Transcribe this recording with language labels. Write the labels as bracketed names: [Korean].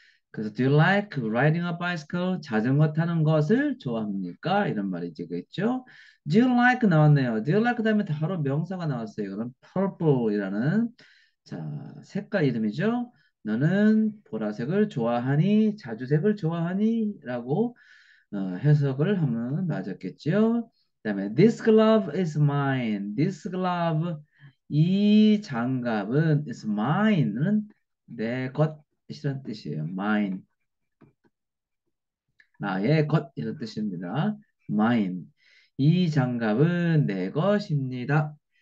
[English] 그래서 do you like riding a bicycle? [Korean] 자전거 타는 것을 좋아합니까? 이런 말이지 그랬죠. [English] Do you like 나왔네요. [Korean] Do you like 다음에 바로 명사가 나왔어요. 이거는 purple이라는 자 색깔 이름이죠. 너는 보라색을 좋아하니 자주색을 좋아하니라고 해석을 하면 맞았겠지요. [English] 그다음에 this glove is mine. this glove [Korean] 이 장갑은 [English] is mine [Korean] 는 내 것이란 뜻이에요. mine 나의 것 이런 뜻입니다. mine 이 장갑은 내 것입니다.